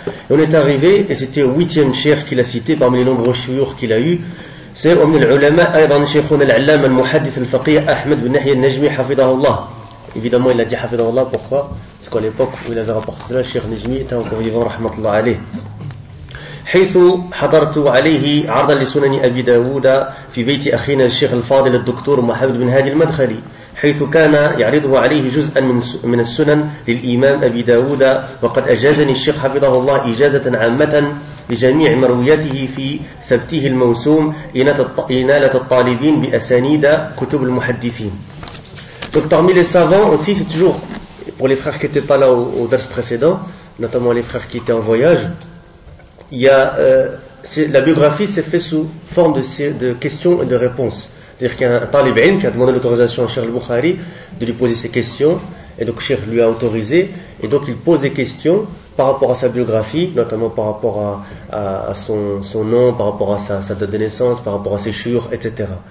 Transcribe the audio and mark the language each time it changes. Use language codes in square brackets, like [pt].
[fr] Et on est arrivé, et c'était au 8e Cheikh qu'il a cité parmi les nombreux chouyours qu'il a eu. C'est Omni al-Ulama, Aydan Cheikhoun al-Allam al-Muhaddith al-Faqih Ahmed bin Nahya al-Najmi, hafidahullah. Évidemment, il a dit hafidahullah, pourquoi? Parce qu'à l'époque où il avait rapporté cela, Cheikh Najmi était encore vivant, rahmatullah alayhi. [ar] حيث حضرت عليه عرضا لسنن أبي داود في بيت أخينا الشيخ الفاضل الدكتور محمد بن هادي المدخلي حيث كان يعرضه عليه جزءا من السنن للإمام أبي داود وقد أجازني الشيخ حفظه الله إجازة عامة لجميع مروياته في ثبته الموسوم إنالة الطالبين بأسانيد كتب المحدثين. [fr] Donc parmi les savants aussi, c'est toujours pour les frères qui étaient pas là au dars précédent, notamment les frères qui étaient en voyage. La biographie s'est faite sous forme de questions et de réponses. C'est-à-dire qu'il y a un talib ilm qui a demandé l'autorisation à Cheikh al-Bukhari de lui poser ses questions, et donc Cheikh lui a autorisé, et donc il pose des questions par rapport à sa biographie, notamment par rapport à son nom, par rapport à sa date de naissance, par rapport à ses chouyours, etc.